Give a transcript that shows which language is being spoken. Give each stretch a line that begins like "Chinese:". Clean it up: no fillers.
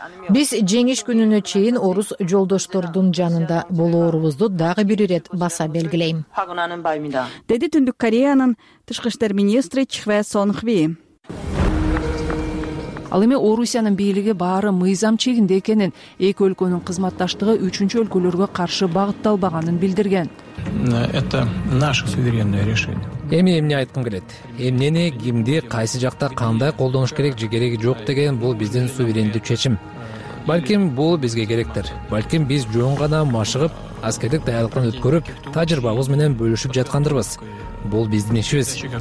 Kyrgyz: Биз жеңиш күнүнө чейин орус жолдоштордун жанында болоорубузду дагы бир ирет баса белгилейм, деди Түндүк Кореянын тышкы иштер министри Чхве Сонхви. Ал эми Орусиянын бийлиги баары мыйзам чегинде экенин, эки өлкөнүн кызматташтыгы үчүнчү өлкөлөргө каршы багытталбаганын билдирген.
Russian: Это наше суверенное решение.
Kyrgyz: Эми эмне айткым келет? Эмнени, кимди, кайсы жакта кандай колдонуш керек же кереги жок деген бул биздин суверендүү чечим. Балким бул бизге керектир. Балким биз жөн гана машыгып, аскердик даярдыктан өткөрүп, тажрыйбабыз менен бөлүшүп жаткандырбыз. Бул биздин ишибиз.